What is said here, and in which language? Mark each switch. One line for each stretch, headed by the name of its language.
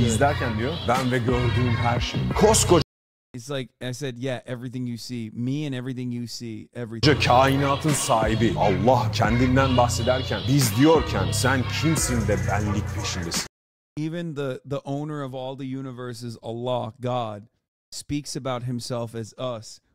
Turkish: İzlerken diyor, ben ve gördüğüm her şey. Koskoca.
English: It's like, I said, yeah, everything you see. Me and everything you see, everything.
Turkish: Kainatın sahibi. Allah kendinden bahsederken, biz diyorken, sen kimsin de benlik peşindesin.
English: Even the owner of all the universes, Allah, God, speaks about himself as us.